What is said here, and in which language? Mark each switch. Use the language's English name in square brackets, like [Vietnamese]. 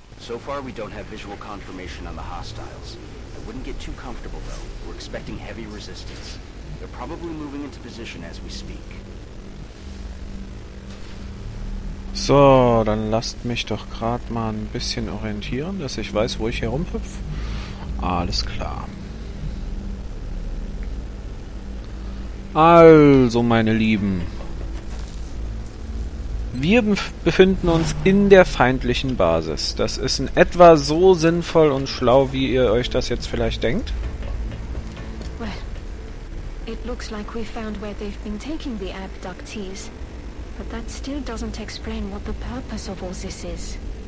[English] So far, we don't have visual confirmation on the hostiles. I wouldn't get too comfortable, though. We're expecting heavy resistance. They're probably moving into position as we speak. [German] So, dann lasst mich doch gerade mal ein bisschen orientieren, dass ich weiß, wo ich herumhüpf. Alles klar. Also, meine Lieben. Wir befinden uns in der feindlichen Basis. Das ist in etwa so sinnvoll und schlau, wie ihr euch das jetzt vielleicht denkt. [English] Well, it looks like we found where they've been taking the abductees. But that still doesn't explain what the purpose of all this is.